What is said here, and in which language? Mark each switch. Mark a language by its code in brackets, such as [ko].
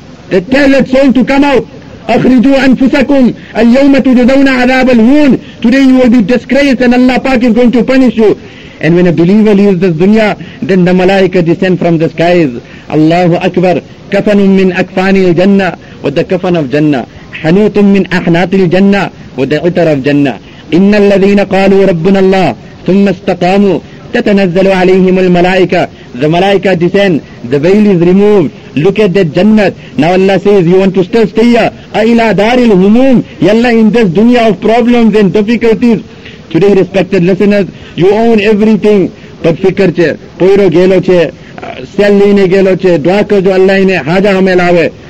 [en] They tell that soul to come out. [ar] أَخْرِجُوا أَنفُسَكُمْ الْيَوْمَ تُجَزَوْنَ عَذَابَ الْهُونَ [en] Today you will be disgraced and Allah Pak is going to punish you. And when a believer leaves this dunya, then the malaika descend from the skies. Allahu Akbar. [ar] كَفَنٌ مِّنْ أَكْفَانِ الْجَنَّةِ [en] With the kafan of Jannah. [ar] حَنُوتٌ مِّنْ أَحْنَاتِ الْجَنَّةِ [en] With the utar of Jannah. [ar] إِنَّ الَّذِينَ قَالُوا رَبُّنَ اللَّهِ ثُمَّ اسْتَقَامُوا تَتَنَزَّلُ عَلَيْهِمُ الْمَلَائِكَةِ [en] The malaika descend. The veil is removed. Look at that Jannah. Now Allah says, you want to still stay here? [ar] أَإِلَى دَارِ الْهُمُومِ يَلَّا [en] in this dunya of problems and difficulties. Today, respected listeners, you own everything. But fikr che, poiro gelo che, sell lene gelo che, dua ko jo Allah ne haja hame lawe.